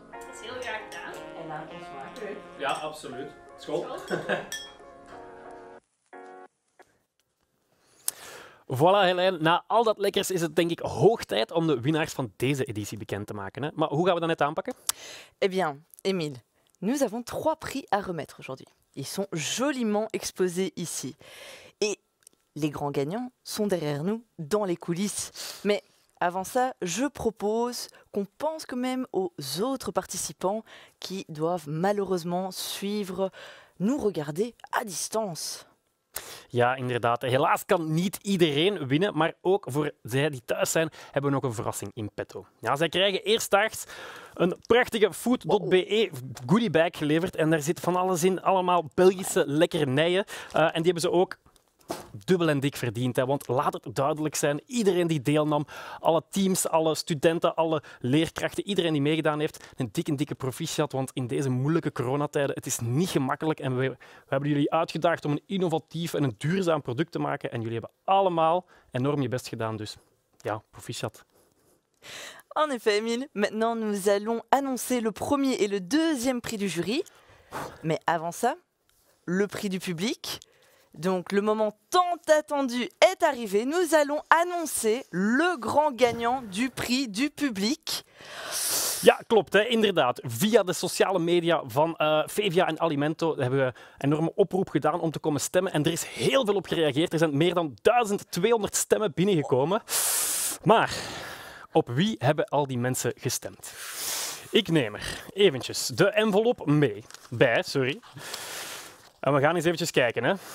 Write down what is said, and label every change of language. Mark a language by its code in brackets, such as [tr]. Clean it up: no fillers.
[nl] Dat is heel graag gedaan. En laat ons maken. Hè. Ja, absoluut. School. School. Voilà Helene, na al dat lekkers is het denk ik hoog tijd om de winnaars van deze editie bekend te maken. Hè? Maar hoe gaan we dat net aanpakken? [fr] Eh bien, Emile, nous avons trois prix à remettre aujourd'hui. Ils sont joliment exposés ici. Et les grands gagnants sont derrière nous, dans les coulisses. Mais avant ça, je propose qu'on pense quand même aux autres participants qui doivent malheureusement suivre, nous regarder à distance. [nl] Ja, inderdaad. Helaas kan niet iedereen winnen, maar ook voor zij die thuis zijn, hebben we nog een verrassing in petto. Ja, zij krijgen eerstdaags een prachtige food.be goodiebag geleverd en daar zit van alles in, allemaal Belgische lekkernijen. En die hebben ze ook dubbel en dik verdiend, hè, want laat het duidelijk zijn, iedereen die deelnam, alle teams, alle studenten, alle leerkrachten, iedereen die meegedaan heeft, een dikke, dikke proficiat, want in deze moeilijke coronatijden, het is niet gemakkelijk en we hebben jullie uitgedaagd om een innovatief en een duurzaam product te maken en jullie hebben allemaal enorm je best gedaan, dus ja, proficiat. [fr] En effet, Emile, maintenant nous allons annoncer le premier et le deuxième prix du jury, mais avant ça, le prix du public. Donc, le moment tant attendu est arrivé. Nous allons annoncer le grand gagnant du prix du public. [nl] Ja, klopt. Hè. Inderdaad. Via de sociale media van Fevia en Alimento hebben we een enorme oproep gedaan om te komen stemmen. En er is heel veel op gereageerd. Er zijn meer dan 1200 stemmen binnengekomen. Maar op wie hebben al die mensen gestemd? Ik neem er eventjes de envelop mee. En we gaan eens eventjes kijken, hè.